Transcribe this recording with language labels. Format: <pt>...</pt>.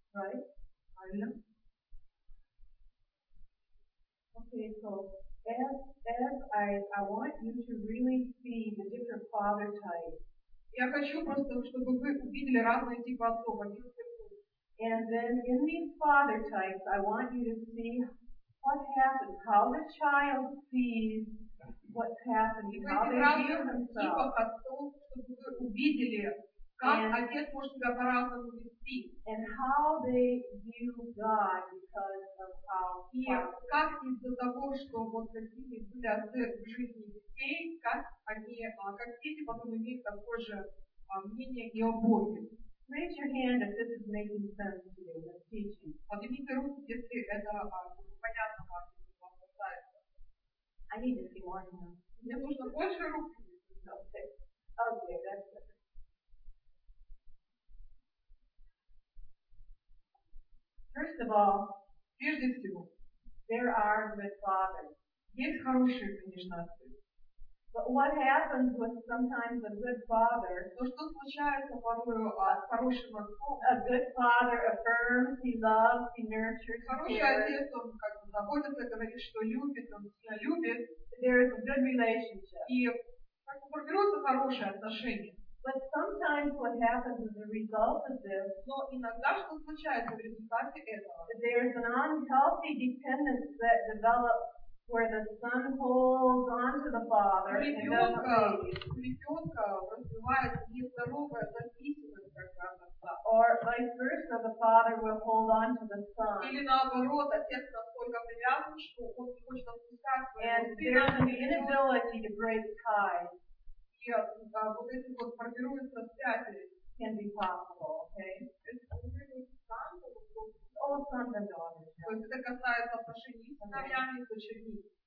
<en>Right?</en> <ru>Правильно?</ru> <en>Okay, so as I want you to really see the different father types.</en> <ru>Я хочу просто, чтобы вы увидели разные типы отцов.</ru> <en>And then in these father types, I want you to see what happens, how the child sees what's happening, how they view themselves.</en> <ru>Чтобы вы увидели, как отец может себя по-разному вести.</ru> <en>And how they view God because of how.</en> <ru>И как из-за того, что вот такие были отцы в жизни детей, как они, как дети потом имеют такое же мнение и о Боге.</ru> <en>Raise your hand if this is making sense to you, this teaching.</en> <ru>Поднимите руку, если это понятно вам, если вам касается.</ru> <en>I need to see more hands.</en> <ru>Мне нужно больше рук.</ru> <en>Okay, that's it. First of all,</en> <ru>прежде всего,</ru> <en>there are good fathers.</en> <ru>Есть хорошие, конечно, отцы.</ru> <en>But what happens with sometimes a good father?</en> <ru>Но что случается, порой, с хорошим отцом?</ru> <en>A good father affirms, he loves, he nurtures.</en> <ru>Хороший отец, он как бы заботится, говорит, что любит, он сильно любит.</ru> <en>There is a good relationship.</en> <ru>И как бы формируются хорошие отношения.</ru> <en>But sometimes what happens as a result of this,</en> <ru>но иногда что случается в результате этого,</ru> <en>there is an unhealthy dependence that develops where the son holds on to the father or vice versa, the father will hold on to the son.</en> <ru>Или наоборот, отец настолько привязан, что он не хочет отпускать.</ru> <en>And there's an inability to break ties.</en> <ru>И вот эти вот формируются связи.</ru> <en>Can be possible, okay?</en> <ru>То есть это касается отношений с сыновьями и дочерьми.</ru>